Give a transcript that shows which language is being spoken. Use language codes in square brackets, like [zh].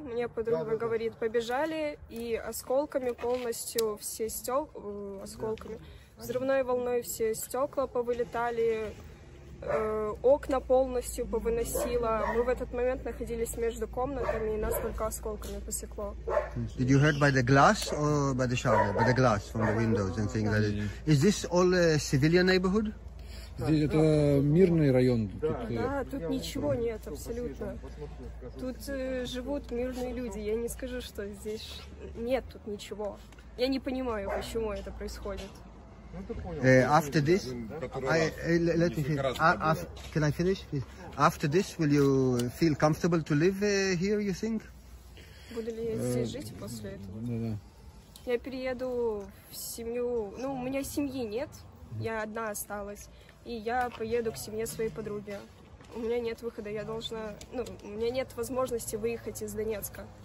[ru] Мне подруга говорит, побежали, и осколками полностью все осколками взрывной волной все стекла повылетали, окна полностью повыносило. Мы в этот момент находились между комнатами, и нас только осколками посекло. [en] Did you hurt by the glass or by the shower? By the glass from the windows and things like that. Is this all a civilian neighborhood? [ru] Здесь это мирный район. Тут ничего нет, абсолютно. Тут живут мирные люди. Я не скажу, что здесь нет тут ничего. Я не понимаю, почему это происходит. [en] After this, let me finish. Can I finish? After this, will you feel comfortable to live here, you think? [ru] Буду ли я здесь жить после этого? Да. Я перееду в семью. Ну, у меня семьи нет. Я одна осталась. И я поеду к семье своей подруги. у меня нет выхода, я должна, ну, у меня нет возможности выехать из Донецка.